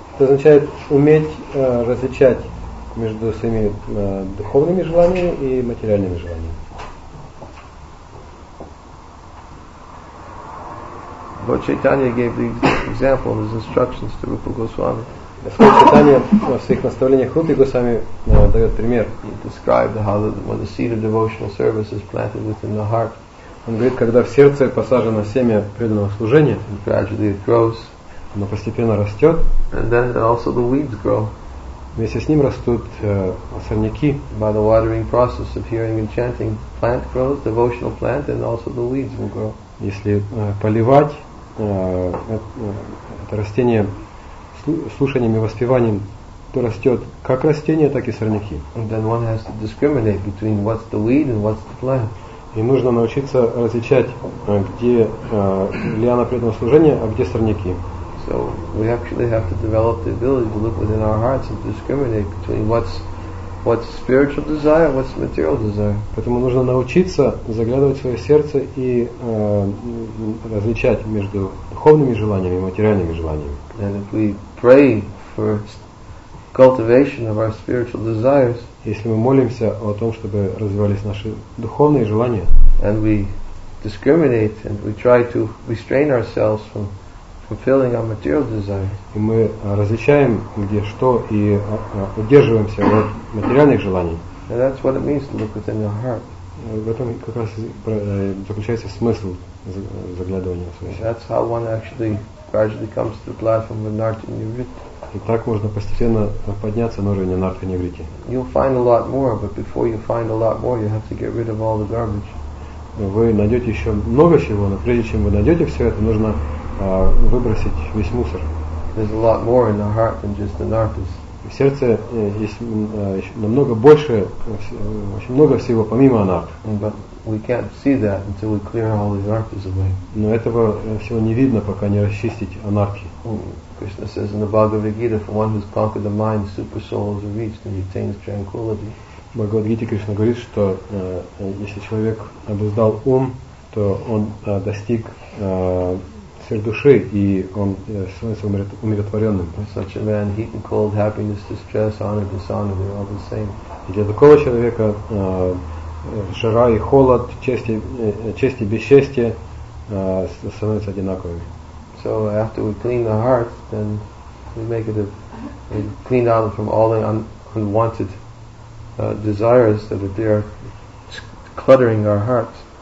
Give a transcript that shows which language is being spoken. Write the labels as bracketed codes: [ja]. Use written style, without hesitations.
[ru] Это означает уметь различать между своими духовными желаниями и материальными желаниями. [en] Lord Chaitanya gave the example of his instructions to Rupa Goswami. [ru] Господь Чайтанья во всех наставлениях Рупы Госвами дает пример. [en] He described how when the seed of devotional service is planted within the heart. [ru] Он говорит, когда в сердце посажено семя преданного служения, [en] and gradually it grows, [ru] оно постепенно растет, [en] and then also the weeds grow. [ru] Вместе с ним растут сорняки. [en] By the watering process of hearing and chanting, plant grows, devotional plant, and also the weeds will grow. [ru] Если поливать это растение слушаниями и воспеванием, то растет как растение, так и сорняки. [en] And then one has to discriminate between what's the weed and what's the plant. [ru] И нужно научиться различать, где лиана преданного служения, а где сорняки. [en] So we actually have to develop the ability to look within our hearts and discriminate between what's spiritual desire, what's material desire. [ru] Поэтому нужно научиться заглядывать в свое сердце и различать между духовными желаниями и материальными желаниями. [en] And if we pray for cultivation of our spiritual desires, [ru] если мы молимся о том, чтобы развивались наши духовные желания, [en] and we discriminate and we try to restrain ourselves from fulfilling our material desires. [ru] И мы различаем, где что, и удерживаемся от материальных желаний. [en] And that's what it means to look within your heart. [ru] В этом как раз заключается смысл заглядывания в свое сердце. [en] That's how one actually gradually comes to the platform of Nartha-Nivritti. [ru] И так можно постепенно подняться на уровень Нартха-Нивритти. [en] You'll find a lot more, but before you find a lot more, you have to get rid of all the garbage. [ru] Вы найдете еще много чего, но прежде чем вы найдете все это, нужно выбросить весь мусор. [en] There's a lot more in the heart than just the nartas. [ru] В сердце есть намного больше, очень много всего помимо нарт. [en] But we can't see that until we clear all these nartas away. [ru] Но этого всего не видно, пока не расчистить анартхи. [en] Krishna says in the Bhagavad Gita, for one who's conquered the mind, the super soul is reached and he attains tranquility. [ru] В Бхагавад Гите Кришна говорит, что если человек обуздал ум, то он достиг сердца души, и он становится умиротворенным. [en] Such a man, heat and cold, happiness, distress, honor, dishonor, they're all the same. [ru] И для такого человека жара и холод, честь и бесчестие становятся одинаковыми. [en] So after we clean the heart, then we make it we clean out from all the unwanted desires that are there cluttering our hearts.